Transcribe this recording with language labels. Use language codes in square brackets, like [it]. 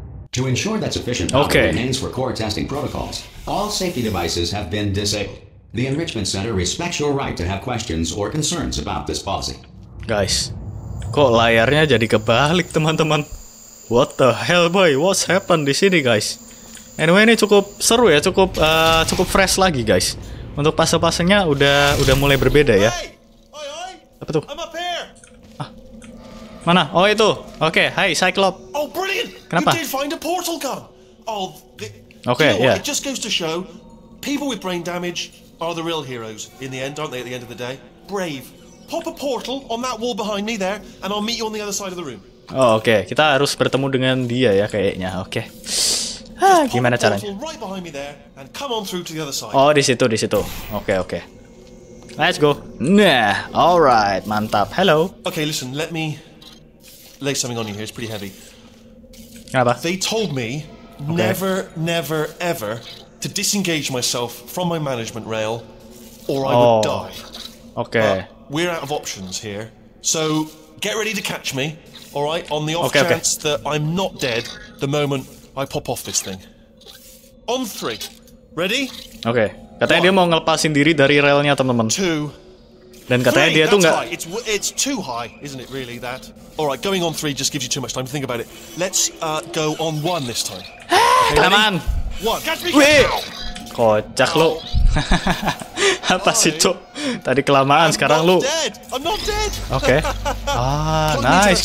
[en] To ensure that sufficient power remains for core testing protocols, all safety devices have been disabled. The Enrichment Center respects your right to have questions or concerns about this policy. [id] Guys, kok layarnya jadi kebalik teman-teman? [en] What the hell boy, what's happened [id] di sini [en] guys? [id] Anyway ini cukup seru ya, cukup fresh lagi guys. Untuk fase-fasenya udah mulai berbeda ya. Apa tuh? [en] I'm up here. [id] Mana? Oh itu. [en] Oke, hi Cyclops. Oh brilliant. [id] Kenapa? [en] You did find a portal gun. Oh. Okay, you know. It just goes to show people with brain damage are the real heroes in the end, aren't they, at the end of the day? Brave. Pop a portal on that wall behind me there and I'll meet you on the other side of the room. Oh, oke. Okay. [id] Kita harus bertemu dengan dia ya kayaknya. Oke. Okay. Ah, gimana caranya? [en] Right behind me there and come on through to the other side. [id] Oh, di situ. Oke. [en] Let's go. Nah, alright, mantap. Hello. Okay, listen, let me lay something on you here. It's pretty heavy. [id] Kenapa? [en] They told me never, never, ever to disengage myself from my management rail or I would die. Okay. We're out of options here. So get ready to catch me, alright, on the off chance that I'm not dead the moment I pop off this thing. On three. Ready? Okay. [id] Katanya dia mau ngelepasin diri dari relnya teman-teman. Dan katanya [en] three, [id] dia tuh nggak. [en] It's too high, isn't it really that? All right, going on three just gives you too much time to think about it. Let's go on one this time. Okay, come on. One. [id] Wih, kocak lo. Apa sih cok? Tadi kelamaan, [en] I'm [id] sekarang lo. Oke. Nice.